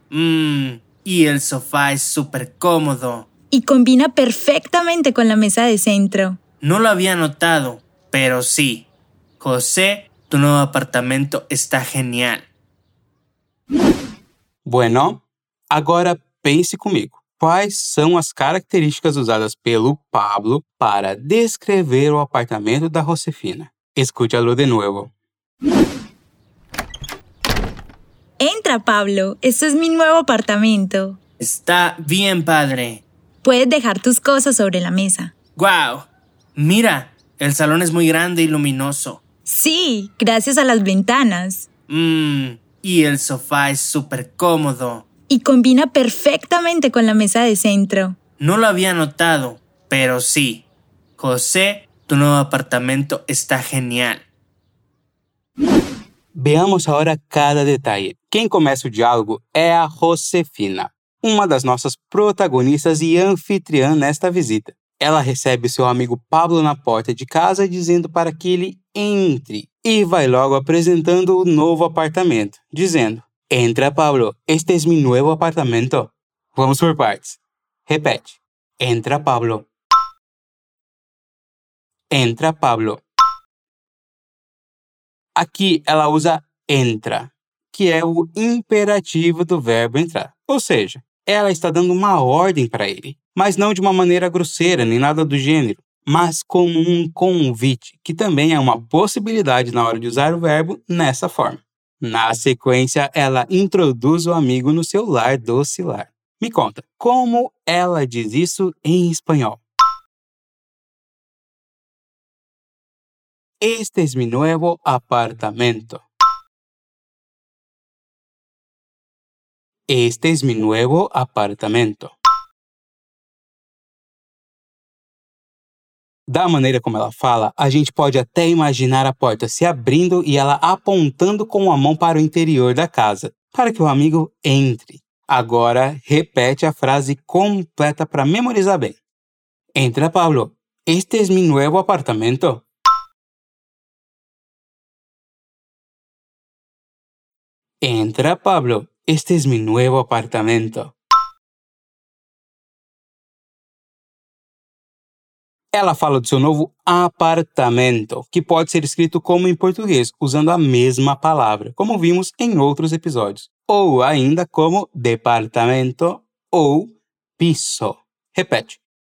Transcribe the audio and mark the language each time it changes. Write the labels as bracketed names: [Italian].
[Spanish] Y el sofá es súper cómodo. Y combina perfectamente con la mesa de centro. No lo había notado, pero sí. José, tu nuevo apartamento está genial. Bueno, ahora pense conmigo. [Portuguese] Quais são as características usadas pelo Pablo para descrever o apartamento da Josefina? [Spanish] Escúchalo de nuevo. Entra, Pablo. Este es mi nuevo apartamento. Está bien, padre. Puedes dejar tus cosas sobre la mesa. ¡Guau! Mira, el salón es muy grande y luminoso. Sí, gracias a las ventanas. Y el sofá es súper cómodo. Y combina perfectamente con la mesa de centro. No lo había notado, pero sí. José, tu nuevo apartamento está genial. Veamos ahora cada detalle. [Portuguese] Quem começa o diálogo é a Josefina, uma das nossas protagonistas e anfitriã nesta visita. Ela recebe seu amigo Pablo na porta de casa, dizendo para que ele entre. E vai logo apresentando o novo apartamento, dizendo: Entra, Pablo. [Spanish] Este es mi nuevo apartamento. [Portuguese] Vamos por partes. Repete. Entra, Pablo. [Spanish] Entra, Pablo. [Portuguese] Aqui ela usa entra, que é o imperativo do verbo entrar. Ou seja, ela está dando uma ordem para ele, mas não de uma maneira grosseira nem nada do gênero, mas como um convite, que também é uma possibilidade na hora de usar o verbo nessa forma. Na sequência, ela introduz o amigo no seu lar doce lar. Me conta, como ela diz isso em espanhol? [Spanish] Este es mi nuevo apartamento. Este es mi nuevo apartamento. [Portuguese] Da maneira como ela fala, a gente pode até imaginar a porta se abrindo e ela apontando com a mão para o interior da casa, para que o amigo entre. Agora, repete a frase completa para memorizar bem. Entra, Pablo. [Spanish] Este es mi nuevo apartamento. Entra, Pablo. Este es mi nuevo apartamento. [Portuguese] Ela fala do seu novo apartamento, que pode ser escrito como em português, usando a mesma palavra, como vimos em outros episódios. Ou ainda como departamento ou piso. Repete.